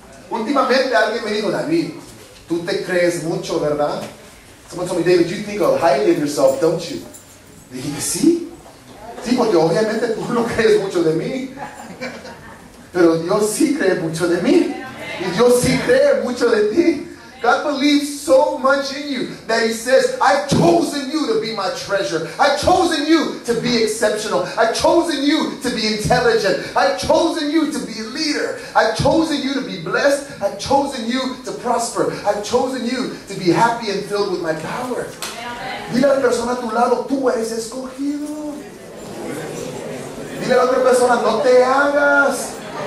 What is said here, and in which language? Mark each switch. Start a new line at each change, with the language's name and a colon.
Spanish: Últimamente alguien me dijo, David, tú te crees mucho, ¿verdad?
English: Someone told me, David, you think highly of yourself, don't you?
Spanish: Le dije, sí. Sí, porque obviamente tú no crees mucho de mí. Pero Dios sí cree mucho de mí. Y Dios sí cree mucho de ti.
English: God believes so much in you that He says, I've chosen you to be my treasure. I've chosen you to be exceptional. I've chosen you to be intelligent. I've chosen you to be a leader. I've chosen you to be blessed. I've chosen you to prosper. I've chosen you to be happy and filled with my power.
Spanish: Dile a la persona a tu lado, tú eres escogido. Dile a la otra persona, no te hagas.